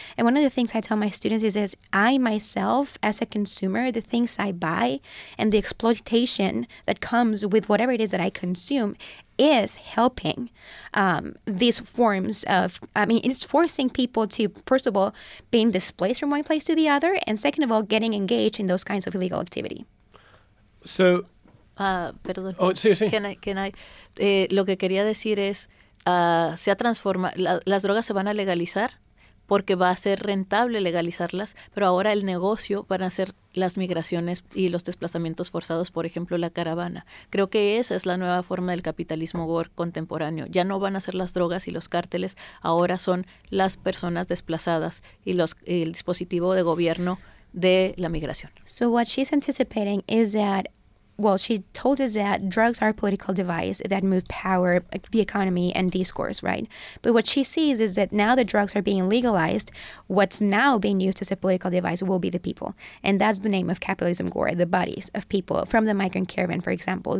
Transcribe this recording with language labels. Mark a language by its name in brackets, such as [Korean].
[English] And one of the things I tell my students is I myself, as a consumer, the things I buy and the exploitation that comes with whatever it is that I consume is helping these forms of, it's forcing people to, first of all, being displaced from one place to the other, and second of all, getting engaged in those kinds of illegal activity. So... [Spanish] Perdón. Oh, sí, sí. [English] Can I? [Spanish] Lo que quería decir es, se ha transformado, las drogas se van a legalizar porque va a ser rentable legalizarlas, pero ahora el negocio van a ser las migraciones y los desplazamientos forzados, por ejemplo, la caravana. Creo que esa es la nueva forma del capitalismo gore contemporáneo. Ya no van a ser las drogas y los cárteles, ahora son las personas desplazadas y el dispositivo de gobierno de la migración. [English] So what she's anticipating is that well, she told us that drugs are a political device that move power, the economy, and discourse, right? But what she sees is that now that drugs are being legalized, what's now being used as a political device will be the people. And that's the name of capitalism, Gore, the bodies of people from the migrant caravan, for example.